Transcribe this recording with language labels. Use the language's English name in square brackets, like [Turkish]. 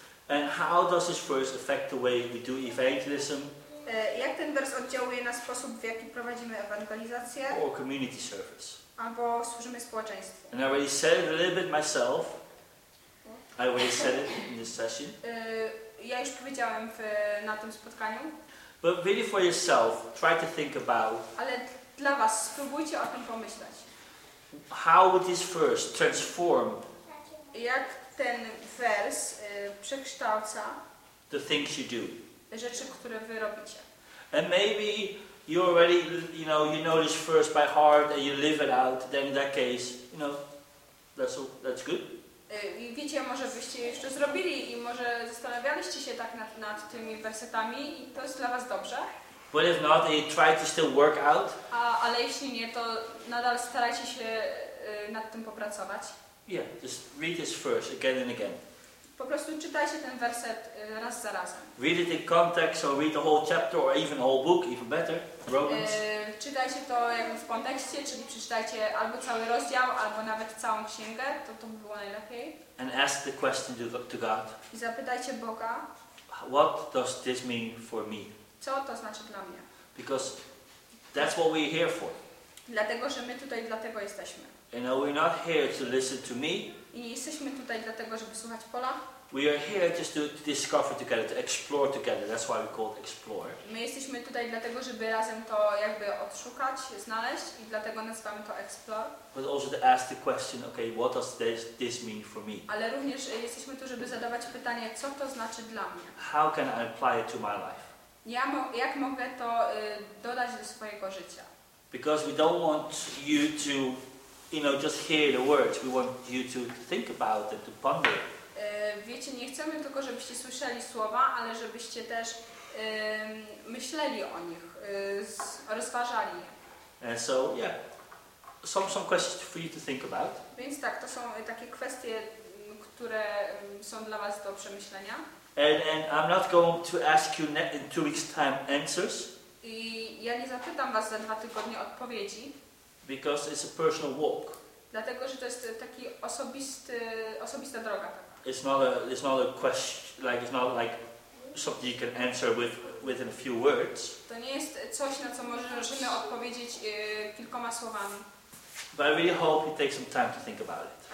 [English] And how does this verse affect the way we do evangelism? [Polish] Jak ten wers oddziałuje na sposób, w jaki prowadzimy ewangelizację? [English] Or community service. [Polish] Albo służymy społeczeństwu. [English] And I already said it a little bit myself. I already said it in this session. [Polish] Ja już powiedziałem na tym spotkaniu. [English] But really for yourself, try to think about. [Polish] Ale dla was, spróbujcie o tym pomyśleć. [English] How would this verse transform? [Polish] Jak ten wers przekształca? [English] The things you do. [Polish] Rzeczy, które wy robicie. [English] And maybe you already, you know this first by heart and you live it out. Then in that case, that's good. [Polish] I wiecie, może byście jeszcze zrobili i może zastanawialiście się tak nad tymi wersetami i to jest dla was dobrze. [English] But if not, you try to still work out. [Polish] Ale jeśli nie, to nadal starajcie się nad tym popracować. [English] Yeah, just read this first again and again. [Polish] Po prostu czytajcie ten werset raz za razem. [English] Read it in context, or read the whole chapter, or even the whole book, even better, Romans. [Polish] Czytajcie to jakby w kontekście, czyli przeczytajcie albo cały rozdział, albo nawet całą księgę, to by było najlepiej. [English] And ask the question to God. [Polish] I zapytajcie Boga. [English] What does this mean for me? [Polish] Co to znaczy dla mnie? [English] Because that's what we're here for. [Polish] Dlatego, że my tutaj dlatego jesteśmy. [English] And are we not here to listen to me? [Polish] I nie jesteśmy tutaj dlatego, żeby słuchać Pola. [English] We are here just to discover together, to explore together. That's why we call it explore. [Polish] My jesteśmy tutaj dlatego, żeby razem to jakby odszukać, znaleźć i dlatego nazywamy to explore. [English] But also to ask the question, okay, what does this mean for me? [Polish] Ale również jesteśmy tu, żeby zadawać pytanie, co to znaczy dla mnie? [English] How can I apply it to my life? [Polish] Jak mogę to dodać do swojego życia? [English] Because we don't want you to just hear the words. We want you to think about it, to ponder. [Polish] Wiecie, nie chcemy tylko, żebyście słyszeli słowa, ale żebyście też myśleli o nich, rozważali je. [English] So, yeah. Some questions for you to think about. [Polish] Więc tak, to są takie kwestie, które są dla was do przemyślenia. [English] And I'm not going to ask you in 2 weeks time answers. [Polish] I ja nie zapytam was za 2 tygodnie odpowiedzi. [English] Because it's a personal walk. [Polish] Dlatego, że to jest taki osobista droga. [English] It's not a question, it's not like something you can answer within a few words. [Polish] To nie jest coś, na co możemy odpowiedzieć kilkoma słowami. [English] But I really hope you take some time to think about it.